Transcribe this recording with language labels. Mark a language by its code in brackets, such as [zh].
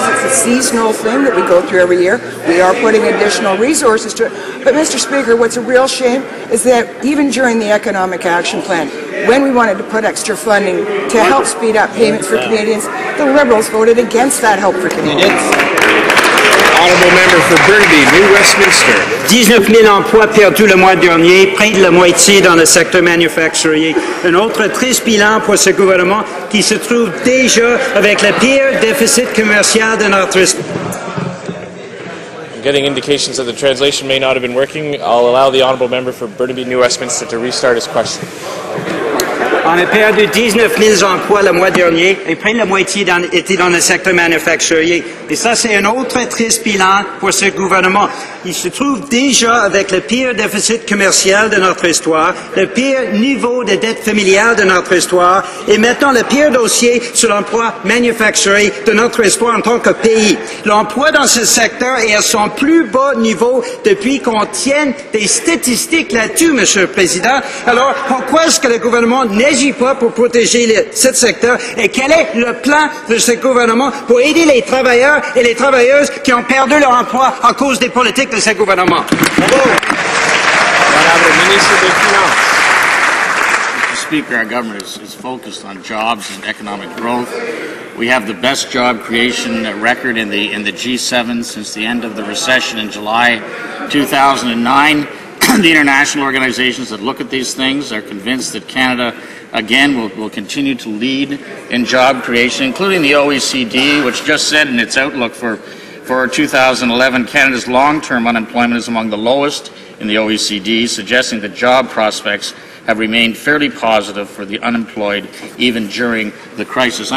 [en] It's a seasonal thing that we go through every year. We are putting additional resources to it. But Mr. Speaker, what's a real shame is that even during the Economic Action Plan, when we wanted to put extra funding to help speed up payments for Canadians, the Liberals voted against that help for Canadians. Honourable Member for Burnaby, New Westminster. [fr] 19,000 emplois perdus le mois dernier, près de la moitié dans le secteur manufacturier. Un autre triste bilan pour ce gouvernement qui se trouve déjà avec le pire déficit commercial de notre. [en] Getting indications that the translation may not have been working, I'll allow the Honourable Member for Burnaby, New Westminster to restart his question. [fr] On a perdu 19,000 emplois le mois dernier et près de la moitié était dans le secteur manufacturier. Et ça, c'est un autre triste bilan pour ce gouvernement. Il se trouve déjà avec le pire déficit commercial de notre histoire, le pire niveau de dette familiale de notre histoire et maintenant le pire dossier sur l'emploi manufacturier de notre histoire en tant que pays. L'emploi dans ce secteur est à son plus bas niveau depuis qu'on tient des statistiques là-dessus, Monsieur le Président. Alors, pourquoi est-ce que le gouvernement n'agit pas pour protéger ce secteur et quel est le plan de ce gouvernement pour aider les travailleurs et les travailleuses qui ont perdu leur emploi à cause des politiques de ce gouvernement? Madame la ministre des Finances. [en] Mr. Speaker, our government is focused on jobs and economic growth. We have the best job creation record in the G7 since the end of the recession in July 2009. The international organizations that look at these things are convinced that Canada, again, will continue to lead in job creation, including the OECD, which just said in its outlook for 2011, Canada's long-term unemployment is among the lowest in the OECD, suggesting that job prospects have remained fairly positive for the unemployed even during the crisis.